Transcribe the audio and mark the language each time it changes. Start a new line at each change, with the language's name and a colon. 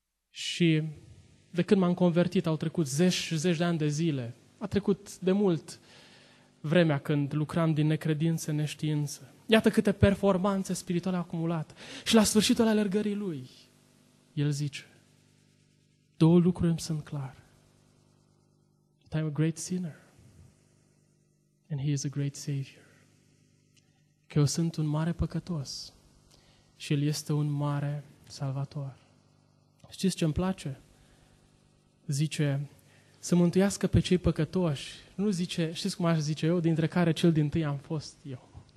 Romanian: Și de când m-am convertit, au trecut zeci și zeci de ani de zile. A trecut de mult vremea când lucram din necredință, neștiință. Iată câte performanțe spirituale a acumulat. Și la sfârșitul alergării lui, el zice: două lucruri îmi sunt clar.
English: I'm a great sinner and he is a great savior.
Romanian: Că eu sunt un mare păcătos și el este un mare salvator. Știți ce îmi place? Zice, să mântuiască pe cei păcătoși. Nu zice, știți cum aș zice eu, dintre care cel din tâi am fost eu.